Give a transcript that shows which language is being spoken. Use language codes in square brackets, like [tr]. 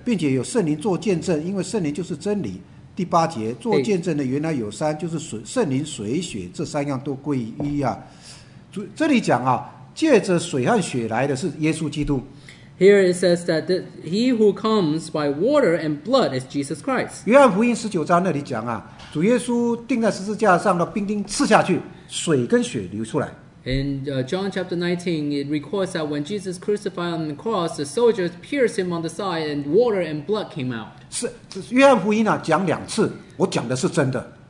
[zh] 并且有圣灵做见证，因为圣灵就是真理。第八节做见证的原来有三，就是水、圣灵、水、血，这三样都归一啊。这里讲啊，借着水和血来的是耶稣基督。 [en] Here it says that he who comes by water and blood is Jesus Christ. [zh] 约翰福音十九章那里讲啊，主耶稣钉在十字架上的钉钉刺下去，水跟血流出来。 [en] In John chapter 19, it records that when Jesus crucified on the cross, the soldiers pierced him on the side, and water and blood came out. [zh] 是约翰福音啊，讲两次，我讲的是真的。